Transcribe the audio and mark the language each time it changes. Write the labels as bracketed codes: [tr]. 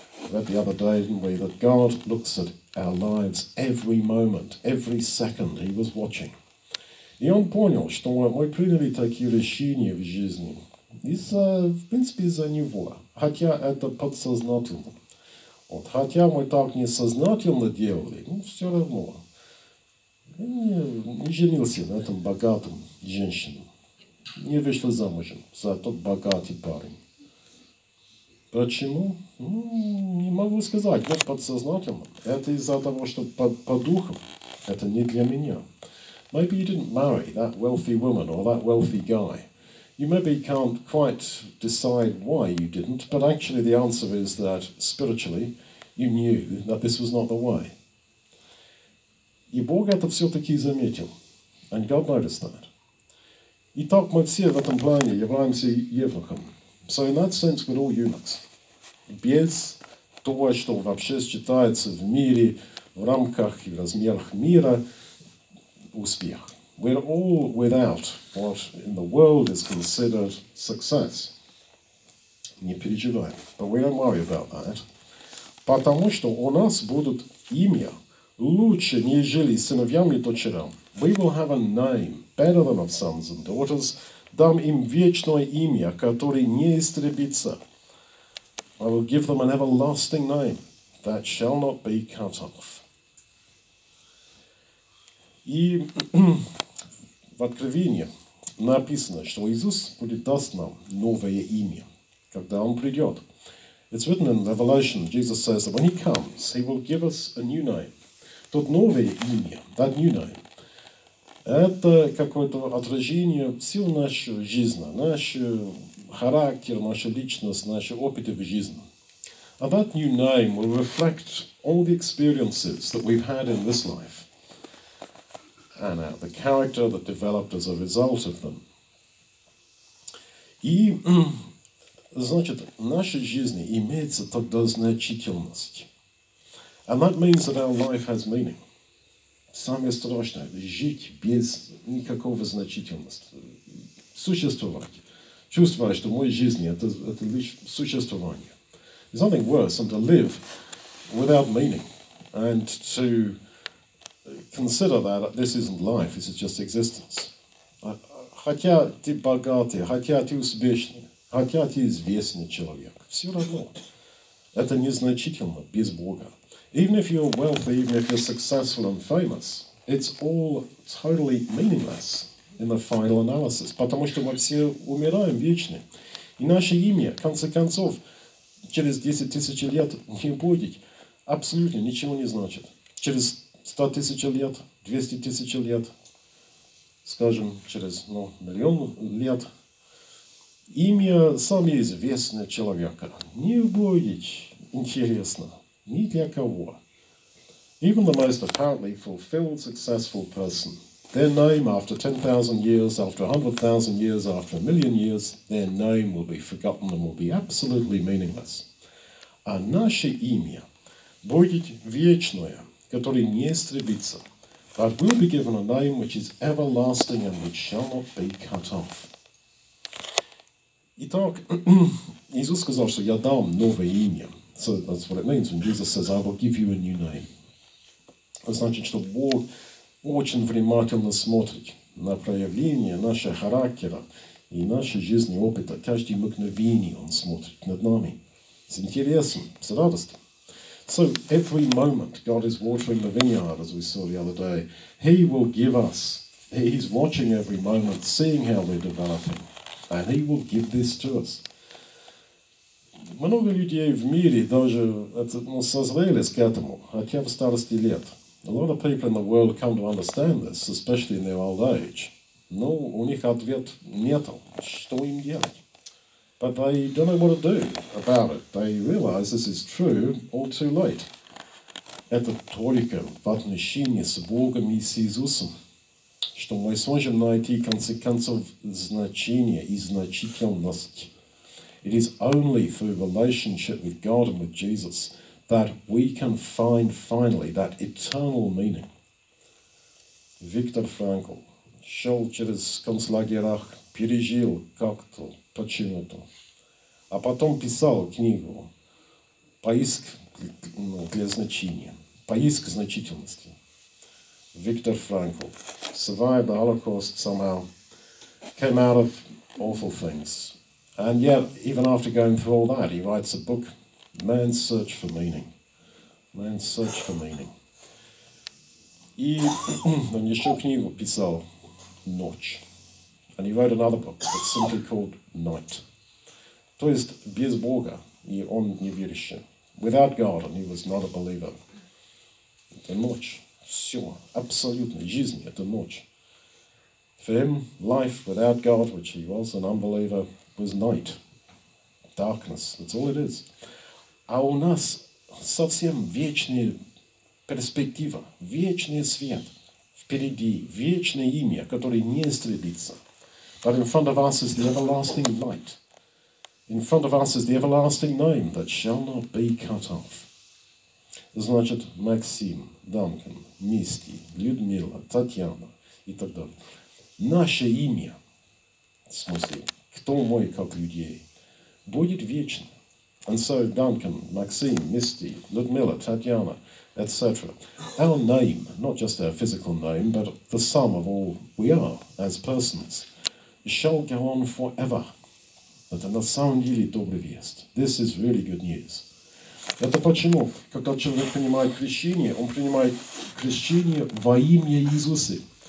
[en] Read the other day, didn't we, that God looks at our lives every moment, every second he was watching. [ru] И он понял, что мы приняли такие решения в жизни. Из-за, в принципе, из-за него. Хотя это подсознательно. Вот, хотя мы так несознательно делали, но все равно. Не женился на этом богатом женщине. Не вышла замужем за тот богатый парень. Почему? Ну, не могу сказать. Вот подсознательно. Это из-за того, что по духам. Это не для меня. [en] Maybe you didn't marry that wealthy woman or that wealthy guy. You maybe can't quite decide why you didn't, but actually the answer is that spiritually you knew that this was not the way. [ru] И Бог это все-таки заметил. [en] And God noticed that. [ru] Итак, мы все в этом плане являемся евнухом. [en] So in that sense, we're all eunuchs. [ru] Без того, что вообще считается в мире, в рамках и в размерах мира, успех. [en] We're all without what in the world is considered success. [ru] Не переживай. [en] But we don't worry about that. [ru] Потому что у нас будут имя лучше, нежели сыновьям и дочерям. [en] We will have a name better than of sons and daughters. [ru] Дам им вечное имя, которое не истребится. [en] I will give them an everlasting name that shall not be cut off. [ru] И в Откровении написано, что Иисус будет даст нам новое имя, когда Он придет. [en] It's written in Revelation, Jesus says that when He comes, He will give us a new name. [ru] Тот новое имя, [en] that new name, [ru] это какое-то отражение всей нашей жизни, наш характер, наша личность, наши опыты в жизни. [en] And that new name will reflect all the experiences that we've had in this life. And the character that developed as a result of them. И [ru] Значит, наша жизнь имеет тогда значительность. [en] And that means that our life has meaning. [ru] Самое страшное – жить без никакого значительности. Существовать. Чувствовать, что моя жизнь – это лишь существование. [en] There's nothing worse than to live without meaning. And to consider that this isn't life, this is just existence. [ru] Хотя ты богатый, хотя ты успешный, хотя ты известный человек, все равно это незначительно без Бога. [en] Even if you're wealthy, even if you're successful and famous, it's all totally meaningless in the final analysis, [ru] потому что мы все умираем вечно. И наше имя, в конце концов, через 10 тысяч лет не будет, абсолютно ничего не значит. Через 100 тысяч лет, 200 тысяч лет, скажем, через миллион лет, имя самое известное человека не будет интересно. Ни для кого. [en] Even the most apparently fulfilled, successful person, their name after 10,000 years, after 100,000 years, after a million years, their name will be forgotten and will be absolutely meaningless. [ru] А наше имя будет вечное, которое не истребится. [en] But we'll be given a name which is everlasting and which shall not be cut off. [ru] Итак, Иисус сказал, что я дам новое имя. [en] So that's what it means when Jesus says, I will give you a new name. [ru] Это значит, что Бог очень внимательно смотрит на проявление нашего характера и нашей жизни опыта. Каждый мгновение Он смотрит над нами с интересом, с радостью. [en] So every moment God is watering the vineyard, as we saw the other day, He will give us, He's watching every moment, seeing how we're developing, and He will give this to us. [ru] Много людей в мире даже созрелись к этому, хотя в старости лет. [en] A lot of people in the world come to understand this, especially in their old age. [ru] Но у них ответ нет. Что им делать? [en] But they don't know what to do about it. They realize this is true all too late. [ru] Это только в отношении с Богом и с Иисусом, что мы сможем найти, в конце концов, значение и значительность. [en] It is only through relationship with God and with Jesus that we can find finally that eternal meaning. [ru] Виктор Франкл шел через концлагерях, пережил как-то, почему-то. А потом писал книгу «Поиск для значения», «Поиск значительности». [en] Виктор Франкл survived the Holocaust somehow, came out of awful things. And yet, even after going through all that, he writes a book, Man's Search for Meaning. Man's Search for Meaning. [ru] И он еще книгу писал, Ночь. [en] And he wrote another book that's simply called Night. [ru] То есть, без Бога, и он не верующий. [en] Without God, and he was not a believer. [ru] Это ночь. Все, абсолютно, жизнь, это ночь. [en] For him, life without God, which he was an unbeliever, was night, darkness, that's all it is. [ru] А у нас совсем вечная перспектива, вечный свет впереди, вечное имя, которое не истребится. [en] But in front of us is the everlasting light. In front of us is the everlasting name that shall not be cut off. [ru] Значит, Максим, Данкан, Мисти, Людмила, Татьяна и так далее. Наше имя, в смысле, кто мой, как людей, будет вечен. [en] And so Duncan, Maxime, Misty, Ludmilla, Tatiana, etc. Our name, not just our physical name, but the sum of all we are as persons, shall go on forever. [ru] Это на самом деле добрая весть. [en] This is really good news. [ru] Это почему, когда человек принимает крещение, он принимает крещение во имя Иисуса.